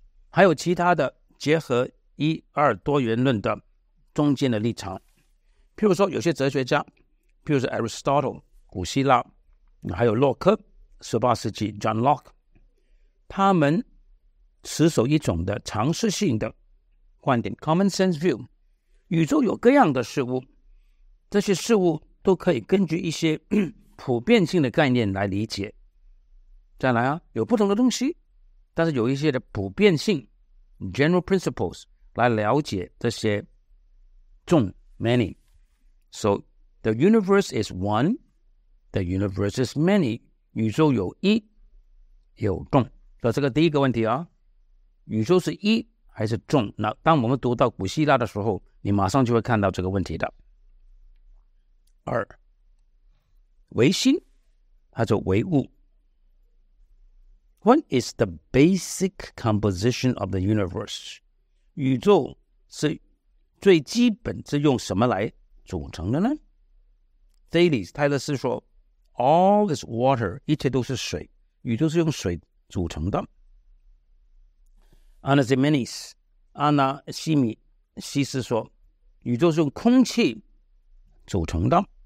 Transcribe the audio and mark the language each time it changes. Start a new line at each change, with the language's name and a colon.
Chinese: 还有其他的结合一二多元论的中间的立场，譬如说有些哲学家，譬如说 Aristotle 古希腊，还有洛克18世纪 John Locke， 他们持守一种的常识性的观点 common sense view， 宇宙有各样的事物，这些事物都可以根据一些普遍性的概念来理解。再来啊，有不同的东西，但是有一些的普遍性 general principles 来了解这些众 many。
English: So the universe is one, the universe is many，
Chinese: 宇宙有一有众。所以这个第一个问题啊，宇宙是一还是众？那当我们读到古希腊的时候，你马上就会看到这个问题的。二，唯心还是唯物？
English: What is the basic composition of the universe?
Chinese: 宇宙是最基本是用什么来组成的呢？ Thales 泰勒斯说
English: All is water，
Chinese: 一切都是水，宇宙是用水组成的。 Anaximenes 阿纳西米西斯说宇宙是用空气组成的。